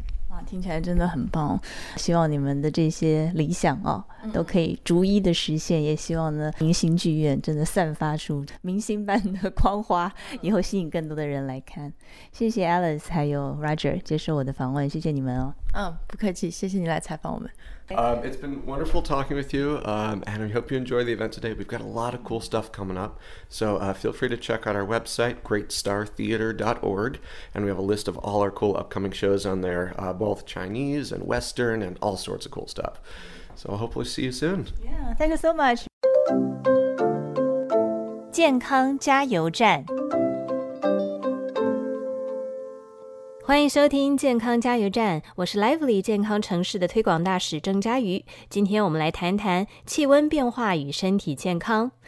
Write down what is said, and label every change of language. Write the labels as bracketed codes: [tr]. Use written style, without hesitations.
[zh] 哇，听起来真的很棒，希望你们的这些理想啊、哦、都可以逐一的实现、也希望呢明星剧院真的散发出明星般的光华，以后吸引更多的人来看。谢谢 Alice 还有 Roger 接受我的访问，谢谢你们哦。不客气，谢谢你来采访我们。 [en] It's been wonderful talking with you, and we hope you enjoy the event today. We've got a lot of cool stuff coming up, so feel free to check out our website, greatstartheater.org, and we have a list of all our cool upcoming shows on there, both Chinese and Western and all sorts of cool stuff. So I'll hopefully see you soon. Yeah, thank you so much. [zh] 健康加油站，欢迎收听健康加油站，我是 Lively 健康城市的推广大使郑佳瑜。今天我们来谈谈气温变化与身体健康。